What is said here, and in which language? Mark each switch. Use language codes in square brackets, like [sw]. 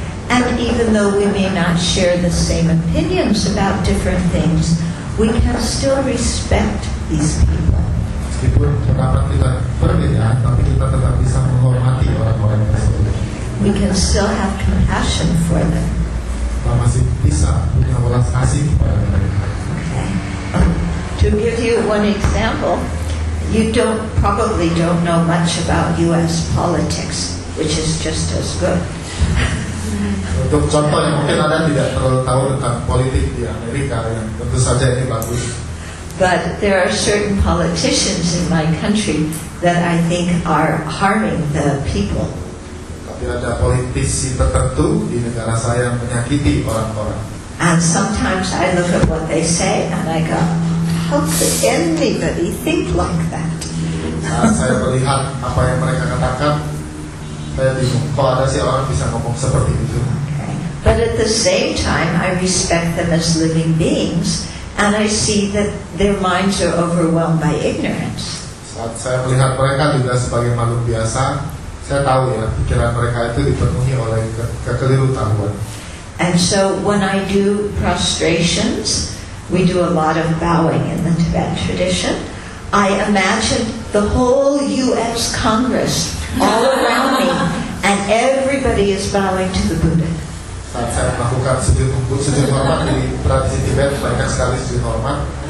[en] And even though we may not share the same opinions about different things, we can still respect these people. [id] meskipun pendapat kita berbeda, tapi kita tetap bisa menghormati orang-orang tersebut. [en] We can still have compassion for them. [id] Kita masih bisa punya belas kasih kepada mereka. [en] Okay. To give you one example, you probably don't know much about U.S. politics, which is just as good. [id] Untuk contoh yang mungkin Anda tidak terlalu tahu tentang politik di Amerika, yang tentu saja ini bagus. [en] But there are certain politicians in my country that I think are harming the people. [id] Tapi ada politisi tertentu di negara saya yang menyakiti orang-orang. [en] And sometimes I look at what they say and I go, how could anybody think like that? [id] Saya melihat apa yang mereka katakan, saya bingung. Kok ada sih orang bisa ngomong seperti itu? [en] But at the same time, I respect them as living beings, and I see that their minds are overwhelmed by ignorance. [id] Saat saya melihat mereka juga sebagai makhluk biasa, saya tahu ya pikiran mereka itu dipenuhi oleh kekeliruan. [en] And so when I do prostrations, we do a lot of bowing in the Tibetan tradition. I imagine the whole U.S. Congress all around me, and everybody is bowing to the Buddha. [id] Saat saya melakukan sujud hormat di tradisi Tibet, banyak sekali sujud hormat.